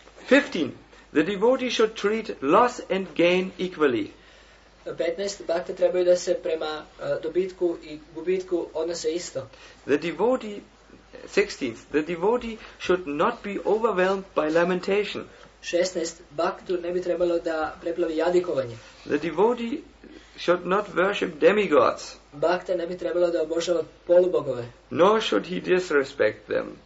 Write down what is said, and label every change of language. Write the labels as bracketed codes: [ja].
[en] 15. The devotee should treat loss and gain equally. [hr] 15. Bhakte trebaju da se prema dobitku i gubitku odnose isto. [en] The devotee, 16. The devotee should not be overwhelmed by lamentation. 16. [hr] Bhaktu ne bi trebalo da preplavi jadikovanje. [en] The devotee should not worship demigods. [hr] Bhakte ne bi trebalo da obožava polubogove. [en] Nor should he disrespect them.